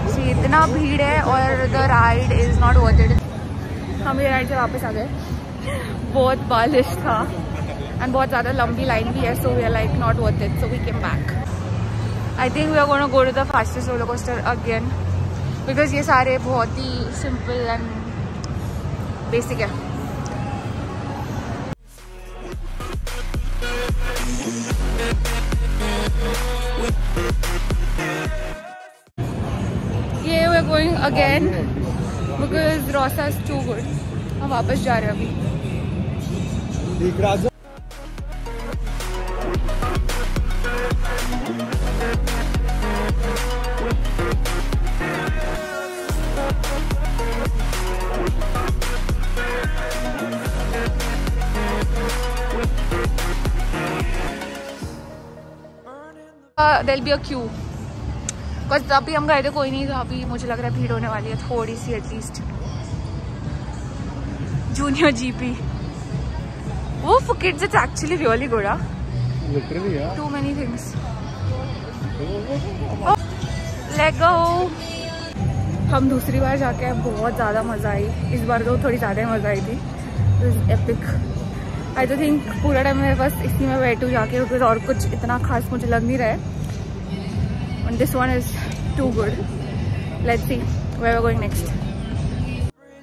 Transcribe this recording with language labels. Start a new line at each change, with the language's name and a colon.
Hindi: इतना भीड़ है और
English: The ride is not worth it.
Hindi: हम ये राइड से वापस आ गए. बहुत बारिश था
English: and
Hindi: बहुत ज़्यादा लंबी लाइन भी है,
English: So we are like not worth it, so we came back. I think we are going to go to the fastest roller coaster again because
Hindi: ye sare bahut hi simple and basic hai.
English: Yeah, we're going again because Rosa is too good.
Hindi: Hum wapas ja rahe hain abhi.
English: There'll be a queue.
Hindi: Cause तब भी हम गए थे कोई नहीं तो अभी मुझे लग रहा है भीड़ होने वाली है थोड़ी सी
English: at least. Junior GP. Oh, for kids it's actually really good, huh? Literally, yeah. Too many things. Oh, let go.
Hindi: हम दूसरी बार जाके बहुत ज़्यादा मज़ा आई. इस बार तो थोड़ी ज़्यादा मज़ा आई थी.
English: It was epic. I don't think
Hindi: पूरा टाइम मैं बस इसी में बैठू जाके क्योंकि और कुछ इतना खास मुझे लग नहीं रहा है.
English: And this one is too good. Let's see where we're going next.